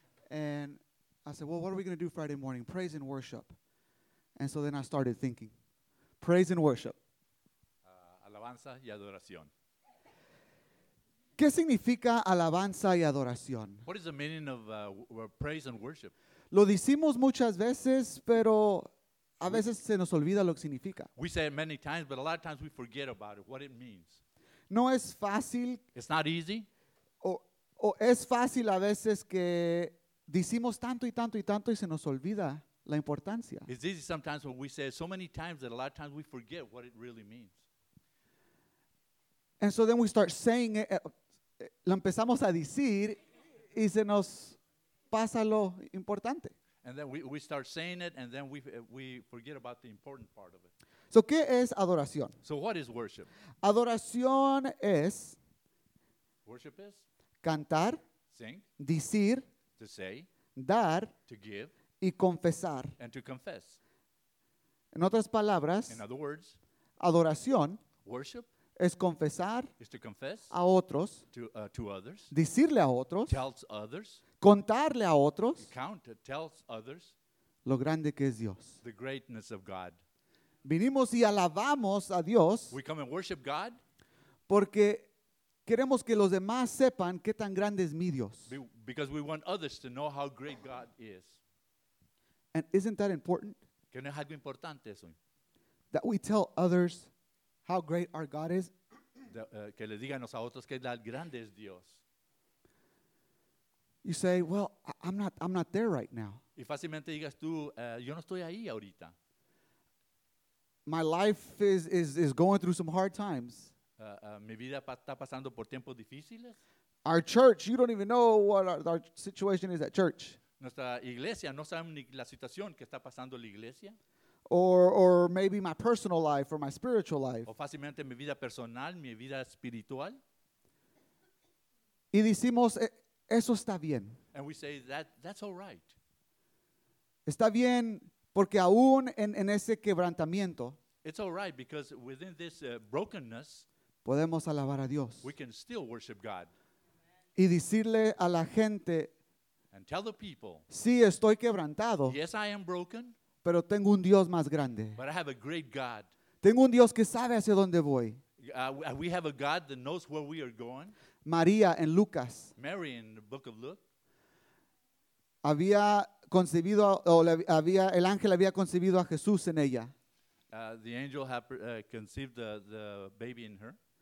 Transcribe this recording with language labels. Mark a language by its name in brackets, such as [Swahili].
[English] And I said, well, what are we going to do Friday morning? Praise and worship. And so then I started thinking. Praise and worship. [Spanish] Alabanza y adoración. ¿Qué significa alabanza y adoración? [English] What is the meaning of praise and worship? [Spanish] Lo decimos muchas veces, pero a veces se nos olvida lo que significa. [English] We say it many times, but a lot of times we forget about it, what it means. [Spanish] No es fácil. [English] It's not easy. [Spanish] O es fácil a veces que decimos tanto y tanto y tanto y se nos olvida la importancia. [English] It's easy sometimes when we say it so many times that a lot of times we forget what it really means. And so then we start saying it, [Spanish] lo empezamos a decir y se nos pasa lo importante. [English] And then we start saying it and then we forget about the important part of it. So, [Spanish] ¿qué es adoración? [English] So, what is worship? [Spanish] Adoración es [English] worship is [Spanish] cantar, [English] sing, [Spanish] decir, [English] to say, [Spanish] dar, [English] to give, [Spanish] y confesar. [English] And to confess. [Spanish] En otras palabras, [English] in other words, [Spanish] adoración [English] worship [Spanish] es confesar [English] is to confess [Spanish] a otros, [English] to others, [Spanish] decirle a otros, [English] tells others, [Spanish] contarle a otros, [English] count, tells others, [Spanish] lo grande que es Dios. [English] The greatness of God. [Spanish] Vinimos y alabamos a Dios. [English] We come and worship God. [Spanish] Porque queremos que los demás sepan qué tan grande es mi Dios. [English] Because we want others to know how great God is. And isn't that important? [Spanish] Que no es algo importante eso. [English] That we tell others how great our God is. [Spanish] Que le díganos a otros qué tan grande es Dios. [English] You say, well, I'm not there right now. [Spanish] Y fácilmente digas tú, yo no estoy ahí ahorita. [English] My life is going through some hard times. [Spanish] Mi vida está pasando por tiempos difíciles. [English] Our church, you don't even know what our situation is at church. [Spanish] Nuestra iglesia, no sabemos ni la situación que está pasando la iglesia. [English] Or maybe my personal life or my spiritual life. [Spanish] O fácilmente mi vida personal, mi vida espiritual. Y decimos, eso está bien. [English] And we say, that's all right. [Spanish] Está bien. Porque aún en ese quebrantamiento, [English] It's all right because within this brokenness, [Spanish] podemos alabar a Dios. [English] We can still worship God. [Spanish] Y decirle a la gente, [English] and tell the people, [Spanish] sí, estoy quebrantado. [English] Yes, I am broken. [Spanish] Pero tengo un Dios más grande. [English] But I have a great God. [Spanish] Tengo un Dios que sabe hacia dónde voy. [English] We have a God that knows where we are going. [Spanish] María en Lucas. [English] Mary in the book of Luke. [Spanish] Había concebido, o le había, el ángel había concebido a Jesús en ella. [English] The angel had conceived the baby in her.